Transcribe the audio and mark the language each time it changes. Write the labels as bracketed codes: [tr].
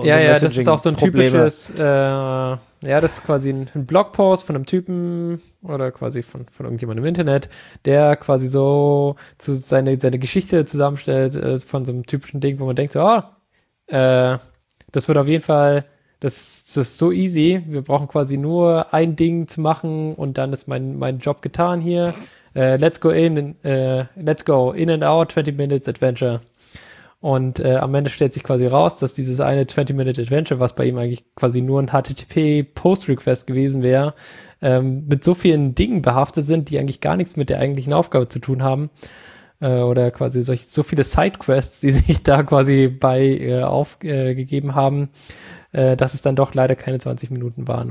[de] unsere Messaging-Probleme. Ja, das ist auch so ein typisches, das ist quasi ein Blogpost von einem Typen oder quasi von irgendjemandem im Internet, der quasi so zu seine Geschichte zusammenstellt von so einem typischen Ding, wo man denkt so, das wird auf jeden Fall, das ist so easy, wir brauchen quasi nur ein Ding zu machen und dann ist mein Job getan hier. [en] Let's go in and out, 20 minutes adventure. [de] Und am Ende stellt sich quasi raus, dass dieses eine 20-Minute-Adventure, was bei ihm eigentlich quasi nur ein HTTP-Post-Request gewesen wäre, mit so vielen Dingen behaftet sind, die eigentlich gar nichts mit der eigentlichen Aufgabe zu tun haben. Oder quasi solche, so viele Side-Quests, die sich da quasi bei aufgegeben haben, dass es dann doch leider keine 20 Minuten waren.